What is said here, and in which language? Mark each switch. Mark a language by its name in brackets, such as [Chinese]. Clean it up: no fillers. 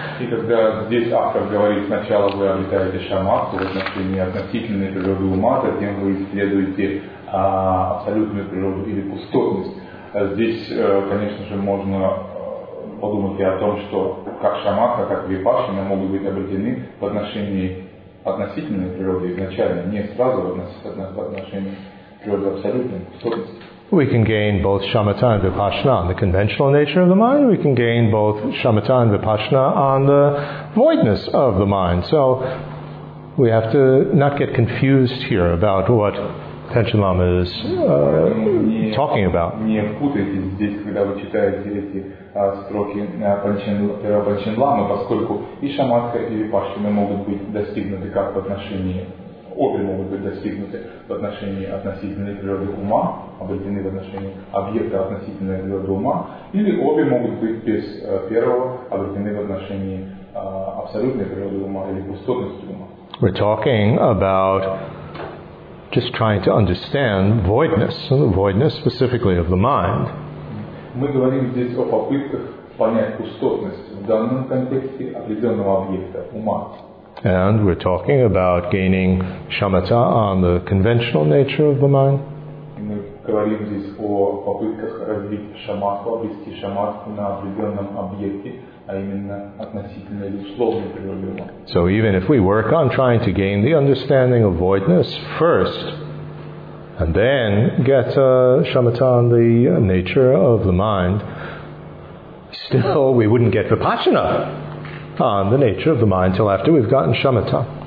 [Russian] И когда здесь автор говорит, сначала вы обретаете шамадху в отношении относительной природы ума, затем вы исследуете абсолютную природу или пустотность. Здесь, конечно же, можно подумать и о том, что как шамадха, так и випассана могут быть обретены в отношении относительной природы изначально, не сразу в отношении природы абсолютной. [English] We can gain both shamatha and vipassana on the conventional nature of the mind. We can gain both shamatha and vipassana on the voidness of the mind. So we have to not get confused here about what Tenchin Lama is talking about. [Russian] Не путайтесь здесь, когда вы читаете эти строки Панчен Ламы, поскольку и шамадха, и випассана могут быть достигнуты как в отношении, обе могут быть достигнуты в отношении относительной природы ума, обретены в отношении объекта относительной природы ума, или обе могут быть без первого, обретены в отношении абсолютной природы ума или пустотности ума. [English] We're talking about just trying to understand voidness, and the voidness specifically of the mind. [Russian] Мы говорим здесь о попытках понять пустотность в данном контексте определенного объекта ума. [English] And we're talking about gaining shamatha on the conventional nature of the mind. [Russian] Мы говорим здесь о попытках развить шамадху, обрести шамадху на определенном объекте, а именно относительно или условно природы ума. [English] So even if we work on trying to gain the understanding of voidness first, and then get shamatha on the nature of the mind, still we wouldn't get vipassana on the nature of the mind till after we've gotten shamatha.